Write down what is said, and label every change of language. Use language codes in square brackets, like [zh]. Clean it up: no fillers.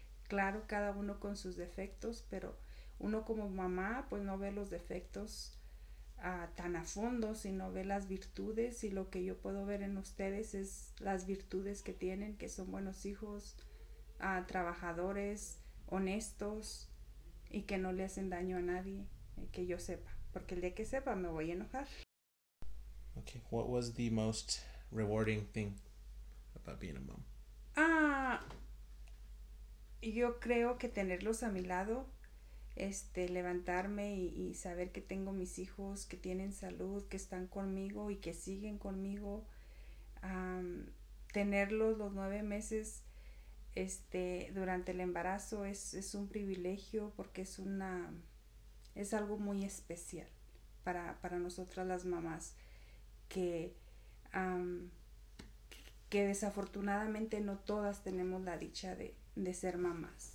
[es] Claro, cada uno con sus defectos, pero uno como mamá, pues no ve los defectos tan a fondo, sino ve las virtudes, y lo que yo puedo ver en ustedes es las virtudes que tienen, que son buenos hijos, trabajadores, honestos, y que no le hacen daño a nadie, que yo sepa, porque el día que sepa me voy a enojar. [en] Okay, what was the most rewarding thing about being a mom? [es] Yo creo que tenerlos a mi lado, levantarme y saber que tengo mis hijos, que tienen salud, que están conmigo y que siguen conmigo. Tenerlos los 9 meses durante el embarazo es un privilegio, porque es algo muy especial para nosotras las mamás, que desafortunadamente no todas tenemos la dicha de ser mamás.